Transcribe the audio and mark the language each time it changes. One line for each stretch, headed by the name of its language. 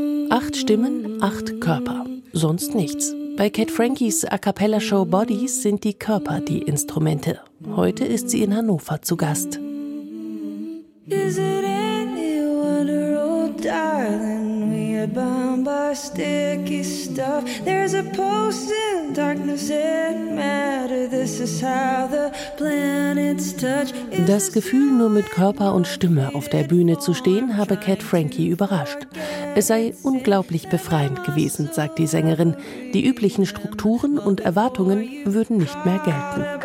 German: Acht Stimmen, acht Körper. Sonst nichts. Bei Cat Frankies A Cappella Show Bodies sind die Körper die Instrumente. Heute ist sie in Hannover zu Gast.
English: Is it any wonder, oh darling, we are bound by sticky stuff. There's a post in darkness and matter, this is how the planets touch.
German: Das Gefühl, nur mit Körper und Stimme auf der Bühne zu stehen, habe Cat Frankie überrascht. Es sei unglaublich befreiend gewesen, sagt die Sängerin. Die üblichen Strukturen und Erwartungen würden nicht mehr gelten.